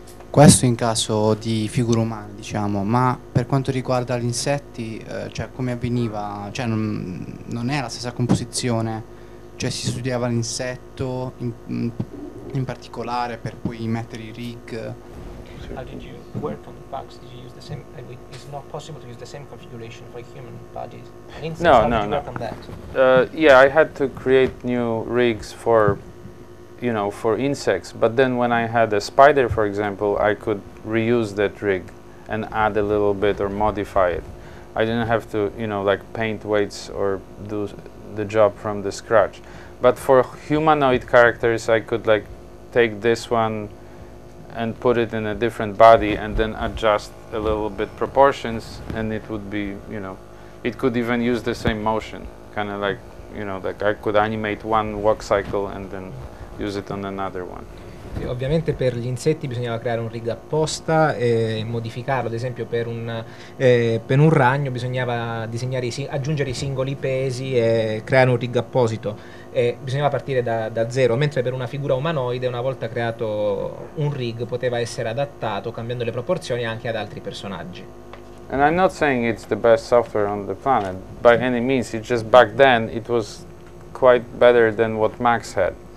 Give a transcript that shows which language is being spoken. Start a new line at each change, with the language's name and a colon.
Italian: Questo in caso di figura umana, diciamo, ma per quanto riguarda gli insetti, cioè come avveniva, cioè non è la stessa composizione, cioè si studiava l'insetto in particolare per poi mettere i rig.
English: How did you work on the bugs? Did you use the same? It's not possible to use the same configuration for human bodies. No. Yeah, I had to create new rigs for, you know, for insects, but then when I had a spider, for example, I could reuse that rig and add a little bit or modify it. I didn't have to, you know, like paint weights or do the job from the scratch. But for humanoid characters, I could like take this one and put it in a different body and then adjust a little bit proportions, and it would be, you know, it could even use the same motion, kind of like, you know, like I could animate one walk cycle and then use it on another one.
Italian: E ovviamente per gli insetti bisognava creare un rig apposta e modificarlo, ad esempio per un ragno bisognava disegnare aggiungere i singoli pesi e creare un rig apposito, e bisognava partire da zero, mentre per una figura umanoide, una volta creato un rig, poteva essere adattato cambiando le proporzioni anche ad altri personaggi.
English: And I'm not saying it's the best software on the planet by any means, it just back then it was quite better than what Max had.